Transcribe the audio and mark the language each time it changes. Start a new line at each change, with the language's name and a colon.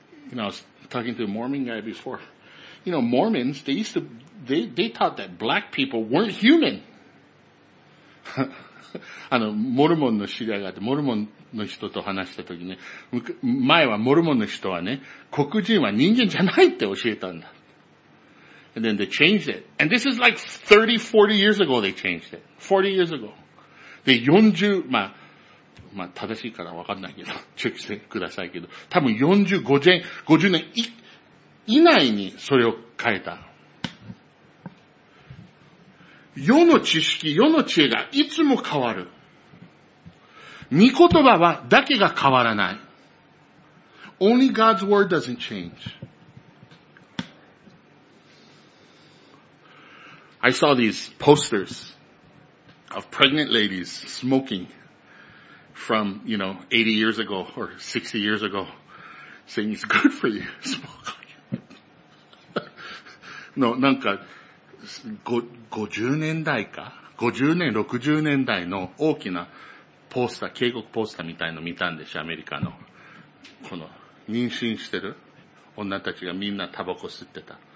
English: You know, I was talking to a Mormon guy before. You know, Mormons, they taught that black people weren't human.
Japanese: あの、モルモンの知り合いがあって、モルモンの人と話したときね、前はモルモンの人はね、黒人は人間じゃないって教えたんだ。
English: And then they changed it. And this is like 30, 40 years ago they changed it. 40 years ago.
Japanese: で、40、まあ、まあ、正しいから分かんないけど、チェックしてくださいけど、多分40、50年、50年以内にそれを変えた。世の知識、世の知恵がいつも変わる。御言葉はだけが変わらない。
English: Only God's word doesn't change. I saw these posters of pregnant ladies smoking from, you know, 80 years ago or 60 years ago, saying it's good for you. Smoke.
Japanese: No, なんか、50年代か ?50 年、60年代の大きなポスター、警告ポスターみたいの見たんでしょ、アメリカの。この、妊娠してる女たちがみんなタバコ吸ってた。